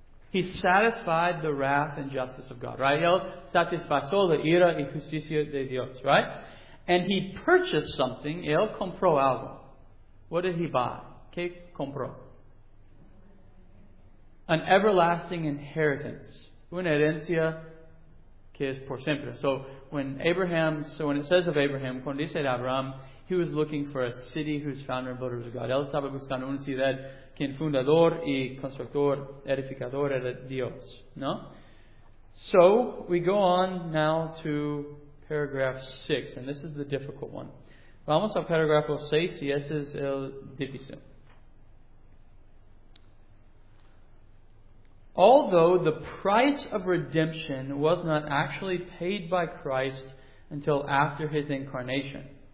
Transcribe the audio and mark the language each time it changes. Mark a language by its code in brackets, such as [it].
[en] He satisfied the wrath and justice of God, right? [es] Él satisfizó la ira y justicia de Dios, right? [en] And he purchased something. [es] Él compró algo. [en] What did he buy? [es] ¿Qué compró? [en] An everlasting inheritance. [es] Una herencia que es por siempre. [en] So when it says of Abraham, [es] cuando dice de Abraham, [en] he was looking for a city whose founder and builder was God. [es] Él estaba buscando una ciudad quien fundador y constructor, edificador era Dios. No? [en] So, we go on now to paragraph 6. And this is the difficult one. [es] Vamos a paragrafo 6 y ese es el difícil. [en] Although the price of redemption was not actually paid by Christ until after his incarnation.